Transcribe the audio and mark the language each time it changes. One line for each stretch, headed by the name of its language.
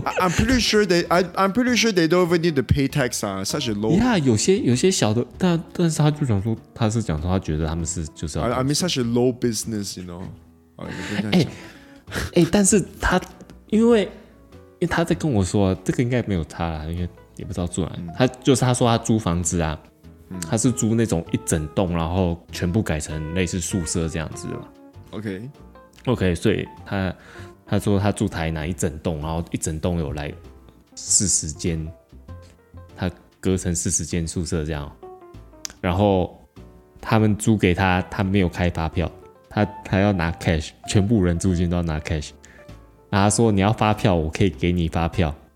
English: I'm pretty sure they don't even need to pay tax 啊 such a low
Chinese: yeah 有些小的但是他就想说他是讲说他觉得他们是就是要
English: I mean such a low business you know
Chinese: 但是他因为他在跟我说这个应该没有差啦因为也不知道住哪他就是他说他租房子啊他是租那种一整栋然后全部改成类似宿舍这样子的
English: OK
Chinese: 所以他说他住台南一整栋，然后一整栋有来四十间，他隔成四十间宿舍这样，然后他们租给他，他没有开发票，他要拿 cash， 全部人租金都要拿 cash， 然后他说你要发票，我可以给你发票，